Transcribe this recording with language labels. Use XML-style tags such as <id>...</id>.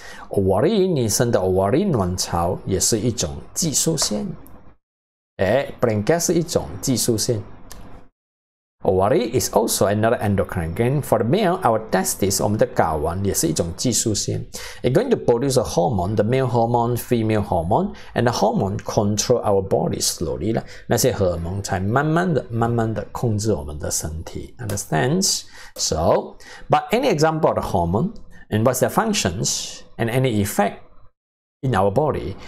<zh>Ovary 女生的 ovary 卵巢也是一种激素腺，哎 ，pancreas 是一种激素腺。</zh> <en>Ovary is also another endocrine gland. For the male, our testes</en> <zh>我们的睾丸也是一种激素腺。</zh> <en>It's going to produce a hormone, the male hormone, female hormone, and the hormone control our body slowly.</en> <zh>那些荷尔蒙才慢慢的、慢慢的控制我们的身体。</zh> <en>Understands? So, but any example of the hormone? And what's their functions and any effect in our body?</en>